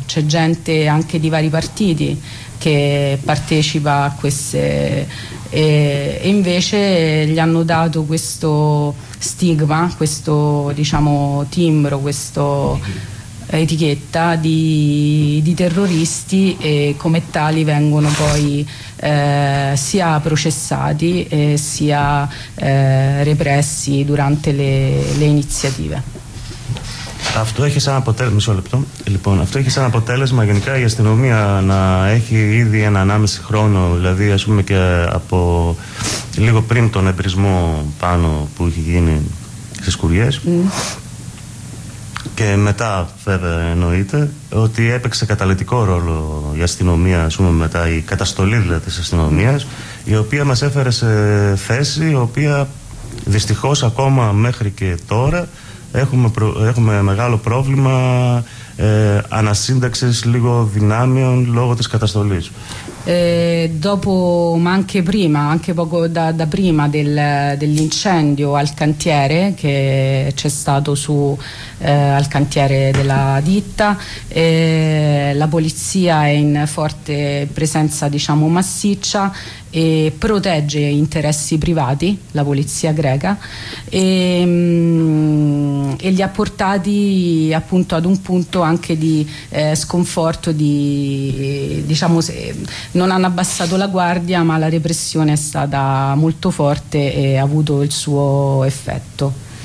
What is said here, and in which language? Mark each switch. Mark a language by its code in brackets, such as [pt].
[it] C'è gente anche di vari partiti che partecipa a queste, e invece gli hanno dato questo stigma, questo, diciamo, timbro, questa etichetta di terroristi, e come tali vengono poi sia processati e sia repressi durante le iniziative. [el] Αυτό έχει σαν αποτέλεσμα, μισό λεπτό. Λοιπόν, αυτό έχει σαν αποτέλεσμα γενικά η αστυνομία να έχει ήδη ένα 1,5 χρόνο, δηλαδή ας πούμε και από λίγο πριν τον εμπρισμό πάνω που είχε γίνει στις Κουριές, και μετά βέβαια εννοείται ότι έπαιξε καταλυτικό ρόλο η αστυνομία, ας πούμε μετά η καταστολή δηλαδή της αστυνομίας, η οποία μας έφερε σε θέση η οποία δυστυχώς ακόμα μέχρι και τώρα έχουμε μεγάλο πρόβλημα ανασύνταξης λίγο δυνάμεων λόγω της καταστολής. [it] Dopo, ma anche prima, anche poco da prima dell'incendio al cantiere che c'è stato al cantiere della ditta, la polizia è in forte presenza, diciamo, massiccia, e protegge interessi privati, la polizia greca, e li ha portati appunto ad un punto anche di sconforto, diciamo, non hanno abbassato la guardia, ma la repressione è stata molto forte e ha avuto il suo effetto.